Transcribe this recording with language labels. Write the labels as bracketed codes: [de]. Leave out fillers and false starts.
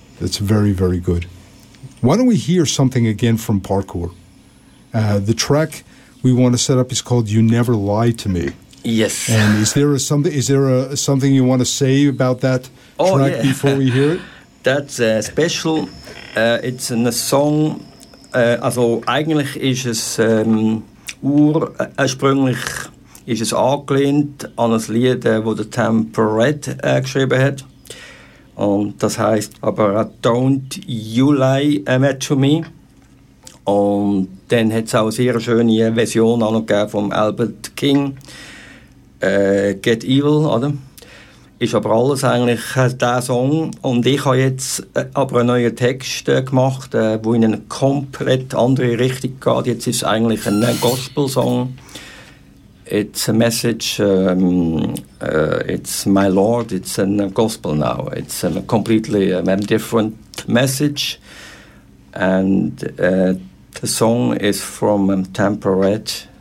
[en] That's very, very good. Why don't we hear something again from Parkour? The track we want to set up is called You Never Lie to Me. Yes. And is there something you want to say about that track before we hear it? That's special. It's in a song. [de] Also eigentlich ist es ursprünglich ist es angelehnt an ein Lied, wo der Temple Red geschrieben hat. Und das heisst aber Don't You Lie to Me. Und dann hat es auch eine sehr schöne Version auch noch gegeben von Albert King. Get Evil, oder? Ist aber alles eigentlich der Song. Und ich habe jetzt aber einen neuen Text gemacht, der in eine komplett andere Richtung geht. Jetzt ist es eigentlich ein Gospel-Song. [en] It's a message, it's my Lord, it's a gospel now. It's a completely different message. And the song is from Temple Red.